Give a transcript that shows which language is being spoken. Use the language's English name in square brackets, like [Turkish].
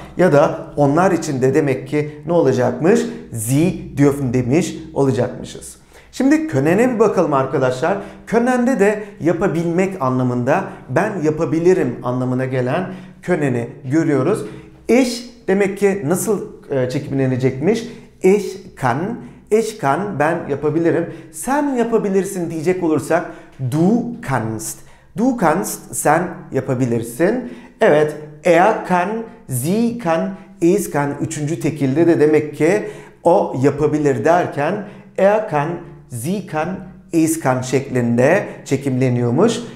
[Turkish] Ya da onlar için de demek ki ne olacakmış? [German] Sie dürfen [Turkish] demiş olacakmışız. Şimdi können'e bir bakalım arkadaşlar. Können'de de yapabilmek anlamında ben yapabilirim anlamına gelen können'i görüyoruz. Ich demek ki nasıl çekimlenecekmiş? [German] Ich kann, ich kann, [Turkish] ben yapabilirim. Sen yapabilirsin diyecek olursak [German] du kannst. Du kannst, [Turkish] sen yapabilirsin. [German] Evet, er kann, sie kann, es kann. [Turkish] Üçüncü tekilde de demek ki o yapabilir derken [German] er kann, sie kann, es kann [Turkish] şeklinde çekimleniyormuş.